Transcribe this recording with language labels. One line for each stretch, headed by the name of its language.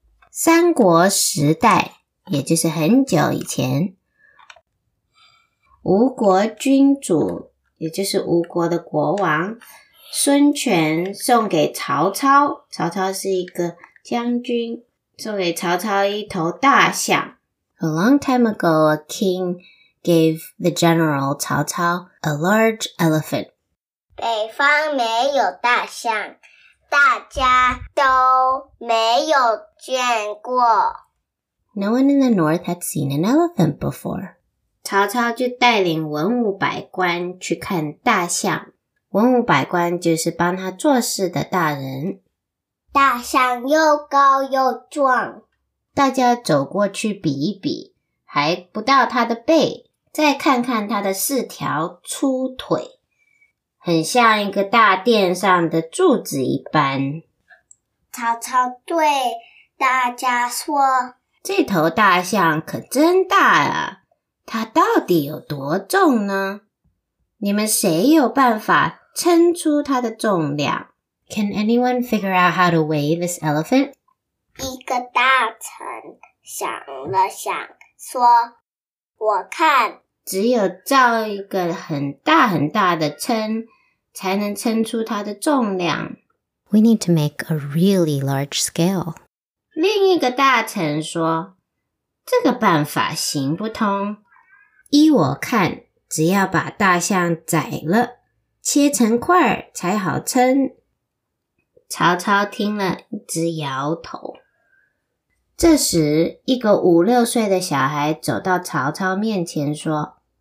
Chinese: 三国时代，也就是很久以前，吴国君主，也就是吴国的国王孙权，送给曹操，曹操是一个将军，送给曹操一头大象。
English: A long time ago, a king gave the general 曹操 a large elephant.
Chinese: 北方没有大象，大家都没有见过。
English: No one in the north had seen an elephant before.
Chinese: 曹操就带领文武百官去看大象。文武百官就是帮他做事的大人。大象又高又壮，大家走过去比一比，还不到它的背，再看看它的四条粗腿，很像一个大殿上的柱子一般。曹操对大家说，这头大象可真大啊，它到底有多重呢？你们谁有办法称出它的重量？
English: Can anyone figure out how to weigh this elephant?
Chinese: 一个大臣想了想说，我看只有造一个很大很大的秤才能称出它的重量。
English: We need to make a really large scale.
Chinese: 另一个大臣说，这个办法行不通，依我看只要把大象宰了切成块才好称。曹操听了直摇头。这时一个五六岁的小孩走到曹操面前说，